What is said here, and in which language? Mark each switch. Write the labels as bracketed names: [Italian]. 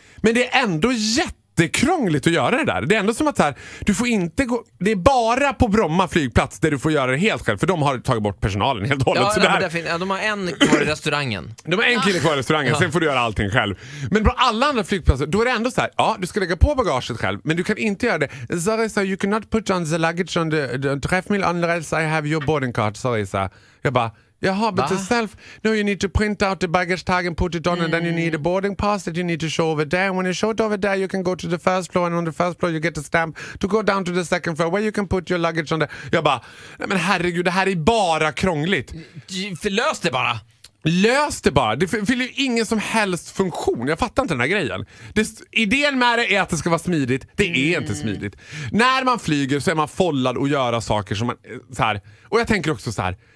[Swedish] Men det är ändå jättekrångligt att göra det där. Det är ändå som att så här, du får inte gå... Det är bara på Bromma flygplats där du får göra det helt själv. För de har tagit bort personalen helt och hållet. Ja, så ja, det här... de har en kvar i restaurangen. De har en kille kvar i restaurangen, sen får du göra allting själv. Men på alla andra flygplatser, då är det ändå så här, ja, du ska lägga på bagaget själv, men du kan inte göra det. [English] Sorry, sir, you cannot put on the luggage on the treadmill unless I have your boarding card. Sorry, sir. [Swedish] Jag bara... [English] Jaha, but yourself, no, you need to print out the baggage tag and put it on and then you need a boarding pass that you need to show over there. And when you show it over there, you can go to the first floor and on the first floor you get a stamp to go down to the second floor where you can put your luggage on there. [Swedish] Jag bara, nej men herregud, det här är bara krångligt. Lös det bara. Lös det bara. Det fyller ju ingen som helst funktion. Jag fattar inte den här grejen. Idén med det är att det ska vara smidigt. Det är inte smidigt. När man flyger så är man follad och göra saker som man, så här. Och jag tänker också så här.